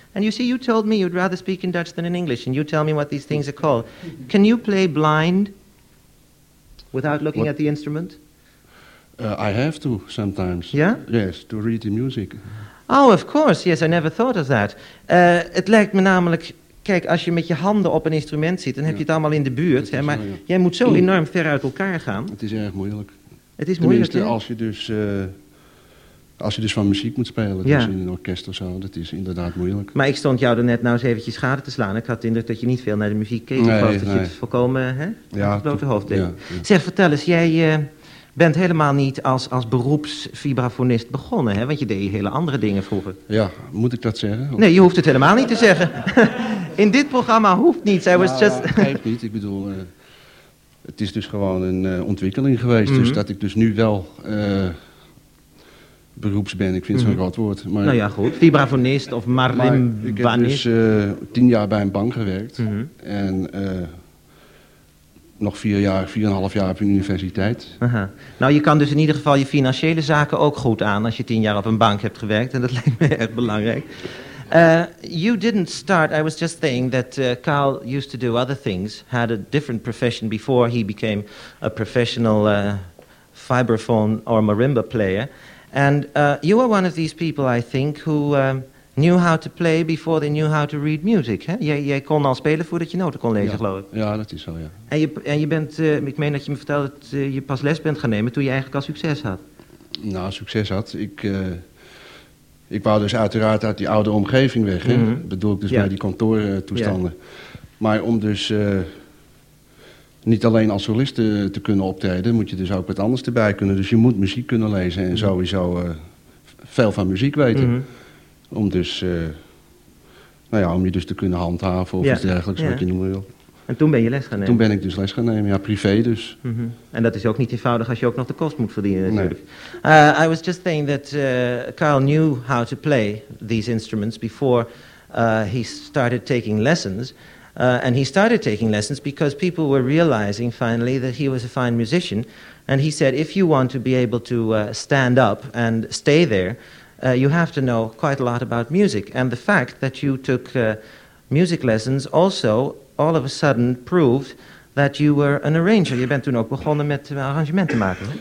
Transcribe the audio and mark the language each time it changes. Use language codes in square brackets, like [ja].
[en] And you see, you told me you'd rather speak in Dutch than in English, and you tell me what these things are called. Can you play blind without looking at the instrument? I have to sometimes. Yeah? Yes, to read the music. Oh, of course, yes, I never thought of that. [nl] Het lijkt me namelijk, kijk, als je met je handen op een instrument zit, dan heb je het allemaal in de buurt, hè, maar zo, ja. Jij moet zo enorm ver uit elkaar gaan. Het is erg moeilijk. Het is moeilijk, tenminste, als je dus van muziek moet spelen, ja. Dus in een orkest of zo, dat is inderdaad moeilijk. Maar ik stond jou er net nou eens eventjes schade te slaan. Ik had de indruk dat je niet veel naar de muziek keek. Nee, of nee. Dat je het volkomen, hè, ja, blote hoofd deed. Ja, ja. Zeg, vertel eens, jij bent helemaal niet als beroepsvibrafonist begonnen, hè? Want je deed hele andere dingen vroeger. Ja, moet ik dat zeggen? Nee, je hoeft het helemaal niet te zeggen. In dit programma hoeft niets. Ja, geeft niet, ik bedoel, het is dus gewoon een ontwikkeling geweest. Mm-hmm. Dus dat ik dus nu wel beroeps ben, ik vind het zo'n groot woord. Maar, nou ja, goed. Vibrafonist of marimbanist. Ik heb dus 10 jaar bij een bank gewerkt. Mm-hmm. En nog 4,5 jaar op een universiteit. Aha. Nou, je kan dus in ieder geval je financiële zaken ook goed aan als je 10 jaar op een bank hebt gewerkt. En dat lijkt me echt belangrijk. [en] You didn't start, I was just saying that Carl used to do other things, had a different profession before he became a professional vibraphone or marimba player, and you were one of these people, I think, who knew how to play before they knew how to read music, hè? [nl] Jij kon al spelen voordat je noten kon lezen, ja, geloof ik. Ja, dat is zo, ja. En je bent, ik meen dat je me vertelde dat je pas les bent gaan nemen toen je eigenlijk al succes had. Nou, succes had, ik wou dus uiteraard uit die oude omgeving weg, hè? Mm-hmm. Bedoel ik dus bij die kantoortoestanden. Ja. Maar om dus niet alleen als solist te kunnen optreden, moet je dus ook wat anders erbij kunnen. Dus je moet muziek kunnen lezen en sowieso veel van muziek weten. Mm-hmm. Om dus, om je dus te kunnen handhaven of iets dergelijks, wat je noemen wil. En toen ben je les gaan nemen? Toen ben ik dus les gaan nemen, ja, privé dus. Mm-hmm. En dat is ook niet eenvoudig als je ook nog de kost moet verdienen, natuurlijk. Nee. [en] I was just saying that Carl knew how to play these instruments before he started taking lessons. And he started taking lessons because people were realizing finally that he was a fine musician. And he said, if you want to be able to stand up and stay there, you have to know quite a lot about music. And the fact that you took music lessons also all of a sudden proved that you were an arranger. [nl] Je bent toen ook begonnen met arrangementen maken.